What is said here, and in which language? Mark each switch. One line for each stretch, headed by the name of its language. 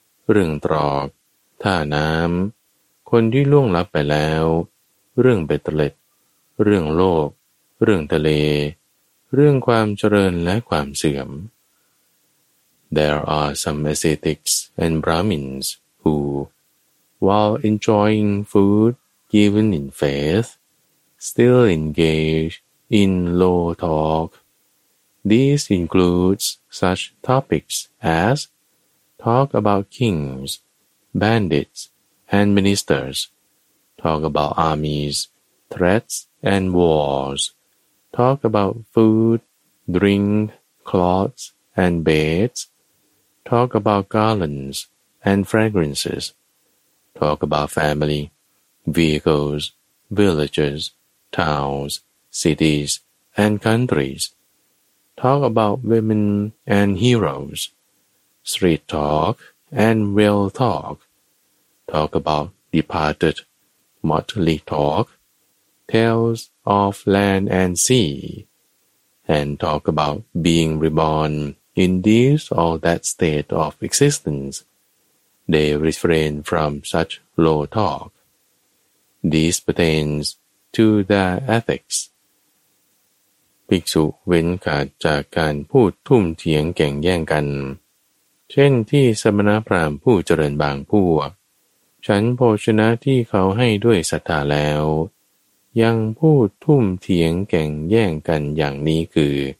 Thai: เรื่องตรอกท่าน้ำคนที่ล่วงลับไปแล้วเรื่องเบ็ดเล็ดเรื่องโลกเรื่องทะเลเรื่องความเจริญและความเสื่อม
English: There are some ascetics and Brahmins who, while enjoying food given in faith, still engage in low talk. This includes such topics as talk about kings, bandits, and ministers, talk about armies, threats, and wars, talk about food, drink, clothes, and beds, talk about garlands and fragrances, talk about family, vehicles, villages, towns, cities, and countries, talk about women and heroes, street talk and real talk, talk about departed, motley talk, tales of land and sea, and talk about being reborn in this or that state of existence. They refrain from such low talk. This pertains to their ethics.
Thai: ภิกษุเว้นขาดจากการพูดทุ่มเถียงแก่งแย่งกันเช่นที่สมณพราหมณ์ผู้เจริญบางพวกฉันโภชนะที่เขาให้ด้วยศรัทธาแล้วยังพูดทุ่มเถียงแก่งแย่งกันอย่างนี้คือ